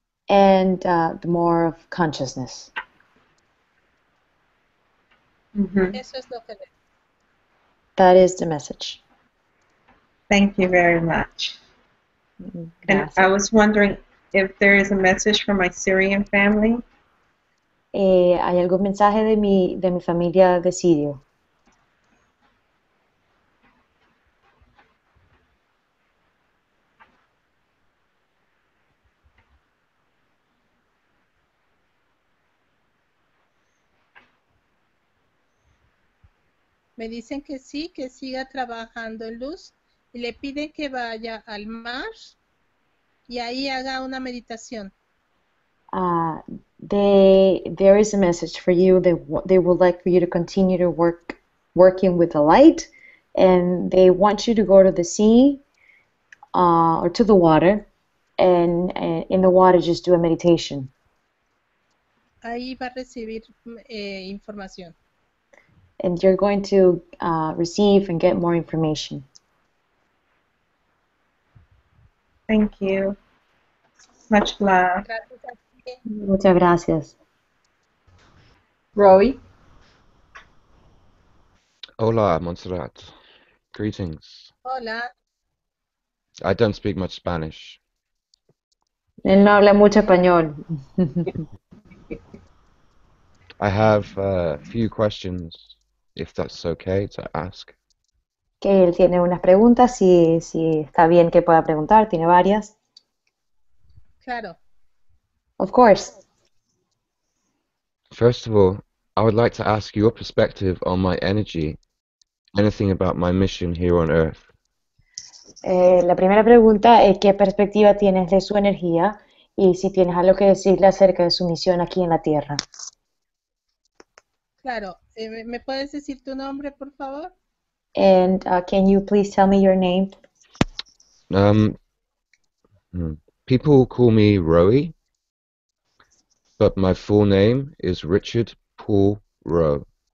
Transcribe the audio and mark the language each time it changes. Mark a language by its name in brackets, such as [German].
[English] And the more of consciousness. [Spanish] Eso es lo que le. [English] That is the message. Thank you very much. Gracias. And I was wondering if there is a message for my Syrian family. [Spanish] ¿Hay algún mensaje de mi familia de Sirio? Me dicen que sí, que siga trabajando en luz y le piden que vaya al mar y ahí haga una meditación. [English] There is a message for you. They would like for you to continue to working with the light, and they want you to go to the sea, or to the water, and in the water just do a meditation. [Spanish] Ahí va a recibir información. [English] And you're going to receive and get more information. Thank you. Much love. [Spanish] Muchas gracias. [English] Roy. Hola, Montserrat. Greetings. [Spanish] Hola. [English] I don't speak much Spanish. [Spanish] Él no habla mucho español. [English] I have a few questions, if that's okay to ask. [Spanish] Que él tiene unas preguntas, si está bien que pueda preguntar, tiene varias. Claro. [English] Of course. First of all, I would like to ask your perspective on my energy, anything about my mission here on Earth. [Spanish] La primera pregunta es qué perspectiva tienes de su energía y si tienes algo que decirle acerca de su misión aquí en la Tierra. Claro. ¿Me puedes decir tu nombre, por favor? [English] And can you please tell me your name? People call me Roy. But my full name is Richard Paul Rowe.